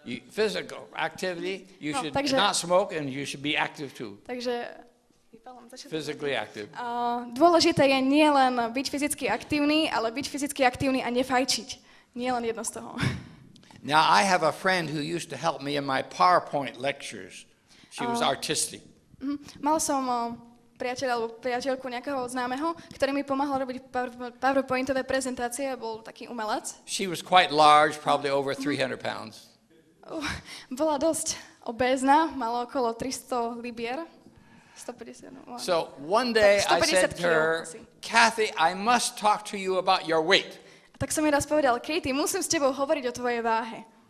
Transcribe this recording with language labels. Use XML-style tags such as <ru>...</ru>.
<en>Physical activity, you should not smoke and you should be active too.</en> <sk>Takže</sk> <en>physically active.</en> <sk>Dôležité je nielen byť fyzicky aktívny, ale byť fyzicky aktívny a nefajčiť. Nielen jedno z toho.</sk> <en>Now I have a friend who used to help me in my PowerPoint lectures. She was artistic.</en> <sk>Mal som priateľa alebo priateľku nejakého známeho, ktorý mi pomáhal robiť PowerPointové prezentácie, bol taký umelec.</sk> <en>She was quite large, probably over 300 pounds.</en> <sk>Bola dosť obézna, mala okolo 300 libier. 150.</sk> <en>So one day I said to her, Kathy, I must talk to you about your weight.</en> <sk>Tak som jej raz povedal, Katie, musím s tebou hovoriť o tvojej váhe.</sk>